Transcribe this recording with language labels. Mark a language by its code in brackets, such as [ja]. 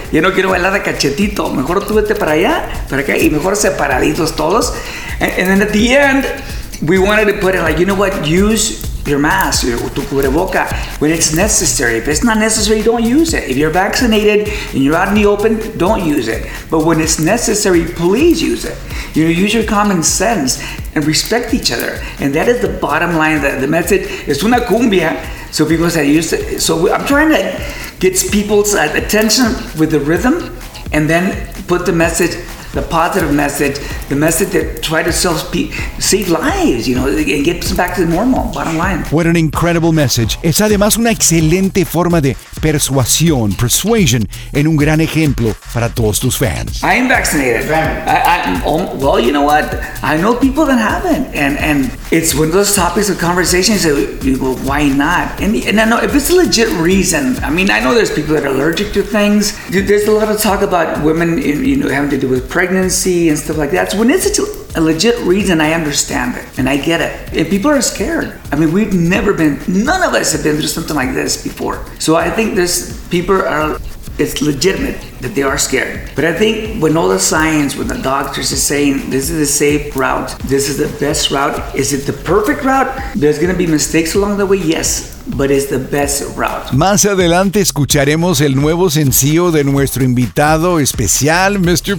[es] Ya no quiero bailar a cachetito, mejor tú vete para allá, para acá, y mejor separaditos todos. [en] And then at the end, we wanted to put it like, you know what, use your mask, [es] tu cubreboca, [en] when it's necessary. If it's not necessary, don't use it. If you're vaccinated and you're out in the open, don't use it. But when it's necessary, please use it. You know, use your common sense and respect each other. And that is the bottom line, the message. [es] Es una cumbia. [en] So people said, use it. So I'm trying to get people's attention with the rhythm and then put the message, the positive message, the message that try to save lives, you know, and get back to the normal, bottom line. What an incredible message. [es] Es además una excelente forma de persuasion, and un gran ejemplo para todos tus fans. [en] I am vaccinated. Well, you know what? I know people that haven't, and it's one of those topics of conversation. So, well, why not? And I know if it's a legit reason, I mean, I know there's people that are allergic to things. There's a lot of talk about women, you know, having to do with pregnancy and stuff like that. So when it's a legit reason, I understand it and I get it. And people are scared. I mean, we've never been, none of us have been through something like this before. So I think there's people are, it's legitimate that they are scared. But I think when all the science, when the doctors are saying, this is a safe route, this is the best route, is it the perfect route? There's gonna be mistakes along the way, yes. But it's the best route. [es] Más adelante escucharemos el nuevo sencillo de nuestro invitado especial, Mr.